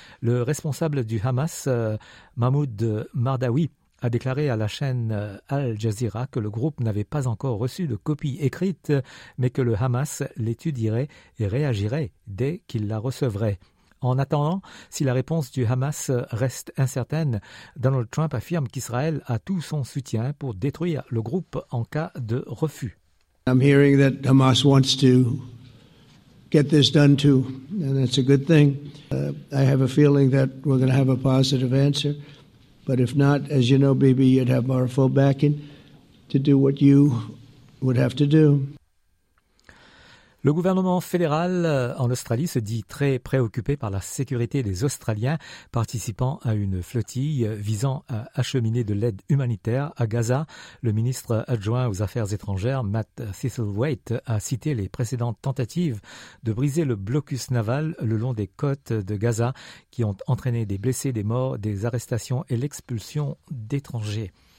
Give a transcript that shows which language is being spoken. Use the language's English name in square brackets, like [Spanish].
[French] Le responsable du Hamas, Mahmoud Mardawi, a déclaré à la chaîne Al Jazeera que le groupe n'avait pas encore reçu de copie écrite, mais que le Hamas l'étudierait et réagirait dès qu'il la recevrait. En attendant, si la réponse du Hamas reste incertaine, Donald Trump affirme qu'Israël a tout son soutien pour détruire le groupe en cas de refus. [English] I'm hearing that Hamas wants to get this done too, and that's a good thing. I have a feeling that we're going to have a positive answer, but if not, as you know, Bibi, you'd have our full backing to do what you would have to do. [French] Le gouvernement fédéral en Australie se dit très préoccupé par la sécurité des Australiens participant à une flottille visant à acheminer de l'aide humanitaire à Gaza. Le ministre adjoint aux Affaires étrangères, Matt Thistlethwaite, a cité les précédentes tentatives de briser le blocus naval le long des côtes de Gaza qui ont entraîné des blessés, des morts, des arrestations et l'expulsion d'étrangers.